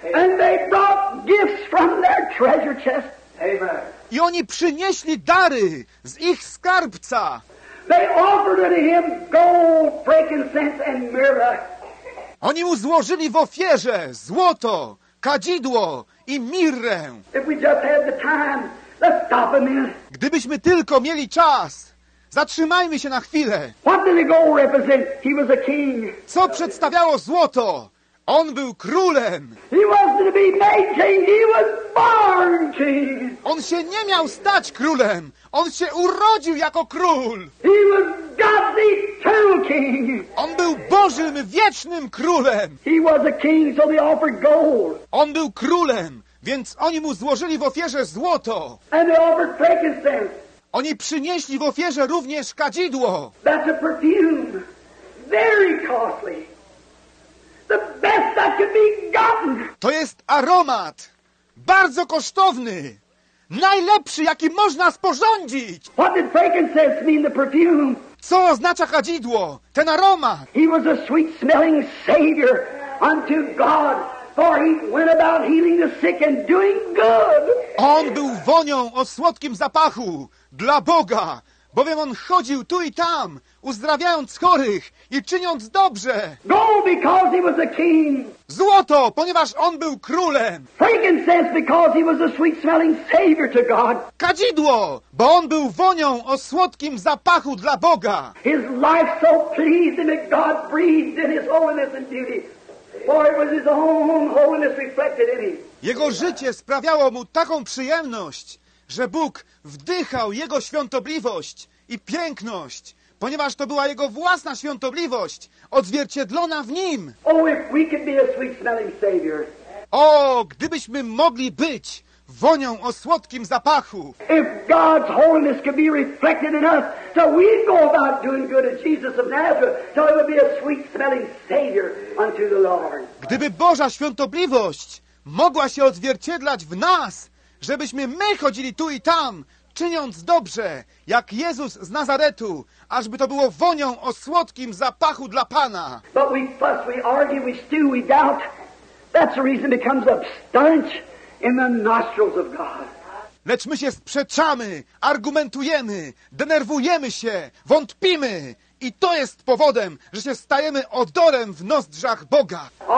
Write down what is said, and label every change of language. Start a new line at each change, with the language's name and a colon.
English: And they brought gifts from their treasure chest. Amen.
Polish: I oni przynieśli dary z ich skarbca.
English: They offered unto him gold, frankincense and myrrh.
Polish: Oni mu złożyli w ofierze złoto, kadzidło i mirrę.
English: If we just had the time, let's stop a minute.
Polish: Gdybyśmy tylko mieli czas, zatrzymajmy się na chwilę.
English: What did the gold represent? He was a king.
Polish: Co przedstawiało złoto? On był królem.
English: He wasn't to be made king, he was born king.
Polish: On się nie miał stać królem. On się urodził jako król.
English: He was God's eternal king.
Polish: On był Bożym, wiecznym królem.
English: He was a king, so they offered gold.
Polish: On był królem, więc oni mu złożyli w ofierze złoto.
English: And they offered frankincense.
Polish: Oni przynieśli w ofierze również kadzidło.
English: That's a perfume, very costly. The best that could be gotten.
Polish: To jest aromat, bardzo kosztowny, najlepszy, jaki można sporządzić.
English: What did frankincense mean, the perfume?
Polish: Co oznacza kadzidło, ten aromat?
English: He was a sweet-smelling savior unto God, for he went about healing the sick and doing good.
Polish: On był wonią o słodkim zapachu dla Boga, bowiem on chodził tu i tam, uzdrawiając chorych i czyniąc dobrze.
English: Gold, because he was a king.
Polish: Złoto, ponieważ on był królem.
English: Frankincense, because he was a sweet-smelling savior to God.
Polish: Kadzidło, bo on był wonią o słodkim zapachu dla Boga.
English: His life so pleasing that God breathed in his holiness and beauty, for it was his own holiness reflected in him.
Polish: Jego życie sprawiało mu taką przyjemność, że Bóg wdychał jego świątobliwość i piękność, ponieważ to była jego własna świątobliwość odzwierciedlona w nim.
English: Oh, if we could be a sweet-smelling savior.
Polish: O, gdybyśmy mogli być wonią o słodkim zapachu.
English: If God's holiness could be reflected in us, so we'd go about doing good as Jesus of Nazareth, so it would be a sweet-smelling savior unto the Lord.
Polish: Gdyby Boża świątobliwość mogła się odzwierciedlać w nas, żebyśmy my chodzili tu i tam, czyniąc dobrze, jak Jezus z Nazaretu, ażby to było wonią o słodkim zapachu dla Pana.
English: But we fuss, we argue, we stew, we doubt. That's the reason it comes up stench in the nostrils of God.
Polish: Lecz my się sprzeczamy, argumentujemy, denerwujemy się, wątpimy. I to jest powodem, że się stajemy odorem w nozdrzach Boga.